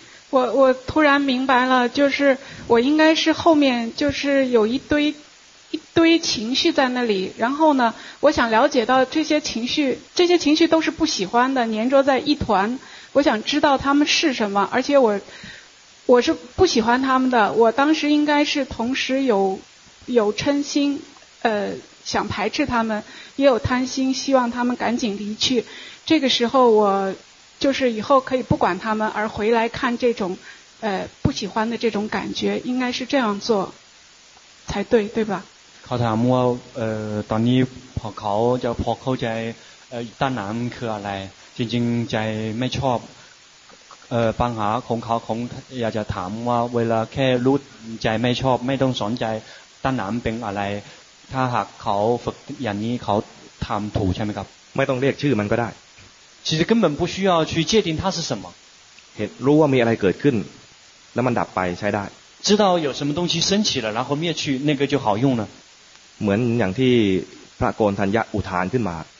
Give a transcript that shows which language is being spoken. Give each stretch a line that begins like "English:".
Chinese: 我突然明白了就是我应该是后面就是有一堆情绪在那里然后呢我想了解到这些情绪都是不喜欢的黏着在一团我想知道他们是什么而且我是不喜欢他们的我当时应该是同时有嗔心想排斥他们，也有贪心希望他们赶紧离去。这个时候我就是以后可以不管他们而回来看这种不喜欢的这种感觉，应该是这样做才对，对吧？
Thai: เขาถามว่าตอนนี้พอเขาจะพอเข้าใจด้านหลังคืออะไรจริงๆใจไม่ชอบปัญหาของเขาของอยากจะถามว่าเวลาแค่รู้ใจไม่ชอบไม่ต้องสนใจด้านหลังเป็นอะไรถ้าหากเขาฝึกอย่างนี้เขาทำถูกใช่ไหมครับ ไม่ต้องเรียกชื่อมันก็ได้
Chinese: 其实根本不需要去界定它是什么
Thai: เห็นรู้ว่ามีอะไรเกิดขึ้นแล้วมันดับไปใช้ได้
Chinese: 知道有什么东西升起了然后灭去那个就好用了
Thai: เหมือนอย่างที่พระโกนธัญญะอุทานขึ้นมา